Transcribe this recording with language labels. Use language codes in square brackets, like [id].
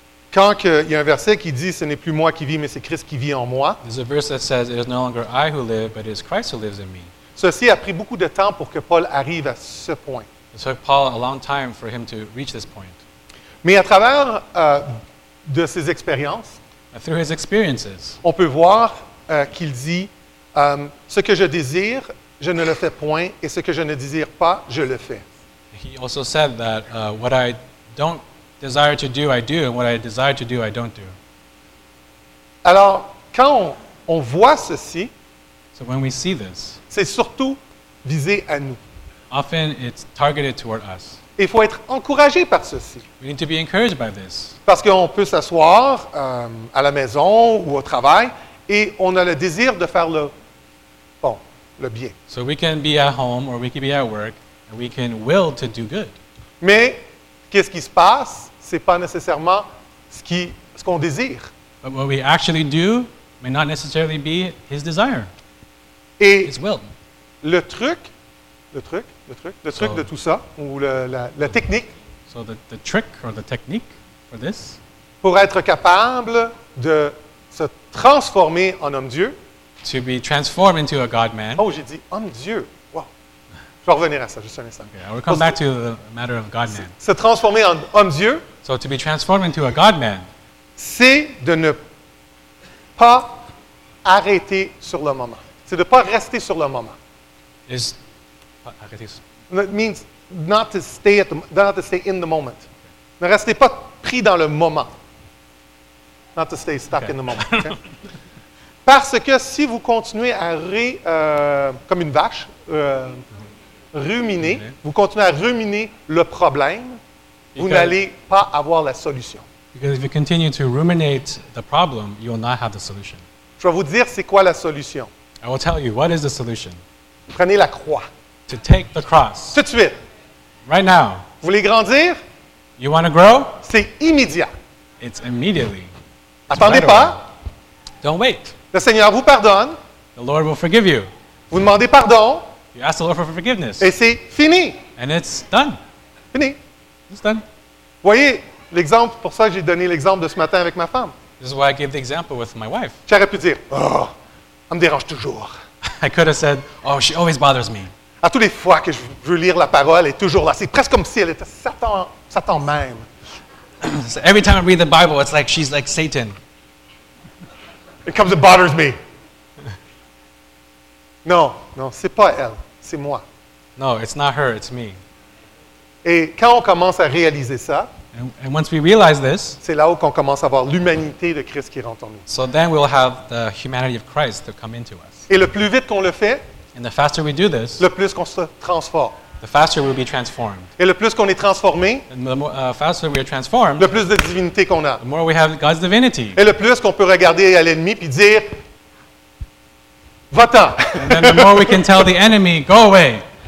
[fr] Quand il y a un verset qui dit, ce n'est plus moi qui vis, mais c'est Christ qui vit en moi. [en] There's a verse that says, it is no longer I who live, but it is Christ who lives in me. [fr] Ceci a pris beaucoup de temps pour que Paul arrive à ce point. [en] It took Paul a long time for him to reach this point. [fr] Mais à travers de ses expériences, [en] through his experiences, [fr] on peut voir qu'il dit, ce que je désire, je ne le fais point, et ce que je ne désire pas, je le fais. [en] He also said that what I don't desire to do, I do, and what I desire to do, I don't do. [fr] Alors, quand on voit ceci, [en] so when we see this, [fr] c'est surtout visé à nous. [en] Often it's targeted toward us. [fr] Il faut être encouragé par ceci. [en] We need to be encouraged by this. [fr] Parce qu'on peut s'asseoir à la maison ou au travail et on a le désir de faire le bien. [en] So we can be at home or we can be at work and we can will to do good. [fr] Mais qu'est-ce qui se passe? C'est pas nécessairement ce qu'on désire. [en] But what we actually do may not necessarily be his desire. [fr] Et [en] his will. [fr] Le truc de tout ça, ou la technique. [en] So the trick or the technique for this. [fr] Pour être capable de se transformer en homme-dieu. [en] To be transformed into a God-man. [fr] Oh, j'ai dit homme-dieu. Wow. Je vais revenir à ça, juste un instant. [en] Okay, we'll come back to the matter of God-man. [fr] Se transformer en homme-dieu. [en] So to be transformed into a God-man. [fr] C'est de ne pas arrêter sur le moment. C'est de ne pas rester sur le moment. [en] Is That means not to stay in the moment. [fr] Ne restez pas pris dans le moment. [en] Not to stay stuck in the moment. Okay? [fr] Parce que si vous continuez à comme une vache, ruminer, vous continuez à ruminer le problème, vous n'allez pas avoir la solution. [en] Because if you continue to ruminate the problem, you will not have the solution. [fr] Je vais vous dire c'est quoi la solution. [en] I will tell you what is the solution. [fr] Prenez la croix. [en] To take the cross. [fr] Tout de suite. [en] Right now. [fr] Vous voulez grandir? [en] You want to grow? [fr] C'est immédiat. [en] It's immediately. [fr] Attendez pas. [en] Don't wait. [fr] Le Seigneur vous pardonne. [en] The Lord will forgive you. [fr] Vous demandez pardon. [en] You ask the Lord for forgiveness. [fr] Et c'est fini. [en] And it's done. [fr] Fini. [en] It's done. [fr] Voyez, l'exemple, pour ça j'ai donné l'exemple de ce matin avec ma femme. [en] This is why I gave the example with my wife. [fr] J'aurais pu dire, oh, elle me dérange toujours. [en] I could have said, oh, she always bothers me. [fr] À toutes les fois que je veux lire la parole, elle est toujours là. C'est presque comme si elle était Satan même. [en] So every time I read the Bible, it's like she's like Satan. It comes and bothers me. [fr] Non, c'est pas elle, c'est moi. [en] No, it's not her, it's me. [fr] Et quand on commence à réaliser ça, [en] and once we realize this, [fr] c'est là où qu'on commence à voir l'humanité de Christ qui rentre en nous. [en] So then we'll have the humanity of Christ to come into us. [fr] Et le plus vite qu'on le fait, [en] and the faster we do this, [fr] le plus qu'on se transforme. [en] The faster we'll be transformed. [fr] Et le plus qu'on est transformé, [en] and the more, faster we are transformed, [fr] le plus de divinité qu'on a. [en] The more we have God's divinity. [fr] Et le plus qu'on peut regarder à l'ennemi puis dire, va-t'en. [en] And then the more we can tell the enemy, go away.